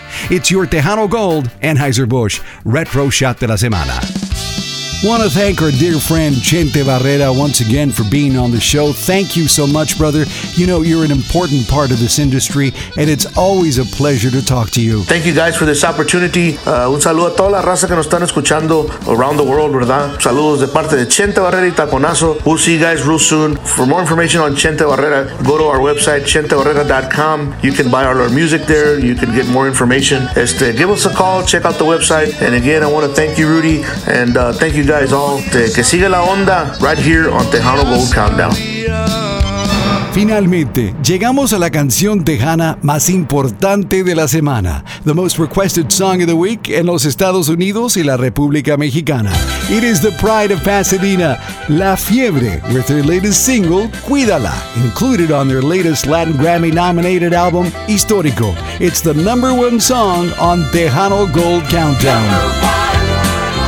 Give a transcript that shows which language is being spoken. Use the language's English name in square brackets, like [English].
[English] It's your Tejano Gold Anheuser-Busch Retro Shot de la Semana. Want to thank our dear friend Chente Barrera once again for being on the show. Thank you so much, brother. You know, you're an important part of this industry, and it's always a pleasure to talk to you. Thank you, guys, for this opportunity. [Spanish] Un saludo a toda la raza que nos están escuchando [English] around the world, [Spanish] ¿verdad? Saludos de parte de Chente Barrera y Taconazo. [English] We'll see you guys real soon. For more information on Chente Barrera, go to our website, chentebarrera.com. You can buy all our music there. You can get more information. Give us a call. Check out the website. And again, I want to thank you, Rudy, and thank you. You guys all, [Spanish] que siga la onda [English] right here on Tejano Gold Countdown. [Spanish] Finalmente, llegamos a la canción tejana más importante de la semana, [English] the most requested song of the week [Spanish] en los Estados Unidos y la República Mexicana. [English] It is the pride of Pasadena, La Fiebre, with their latest single, Cuídala, included on their latest Latin Grammy-nominated album, Histórico. It's the number one song on Tejano Gold Countdown.